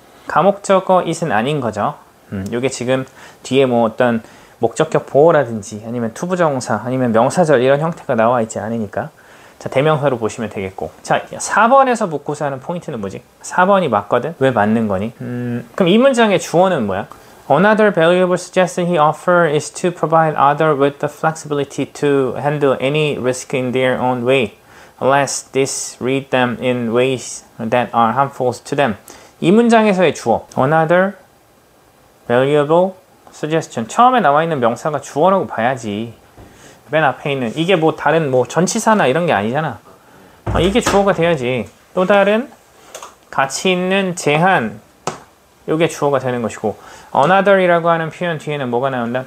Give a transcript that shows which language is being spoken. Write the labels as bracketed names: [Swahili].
[Korean] 감옥적어 is은 아닌 거죠. 이게 지금 뒤에 뭐 어떤 목적격 보호라든지 아니면 투부정사 아니면 명사절 이런 형태가 나와 있지 않으니까. 자, 대명사로 보시면 되겠고. 자, 4번에서 묻고자 하는 포인트는 뭐지? 4번이 맞거든? 왜 맞는 거니? 그럼 이 문장의 주어는 뭐야? [English] Another valuable suggestion he offered is to provide others with the flexibility to handle any risk in their own way, unless this lead them in ways that are harmful to them. [Korean] 이 문장에서의 주어. [English] Another valuable suggestion. [Korean] 처음에 나와 있는 명사가 주어라고 봐야지. 맨 앞에 있는 이게 뭐 다른 뭐 전치사나 이런 게 아니잖아. 이게 주어가 돼야지. 또 다른 가치 있는 제한, 이게 주어가 되는 것이고, another이라고 하는 표현 뒤에는 뭐가 나온다?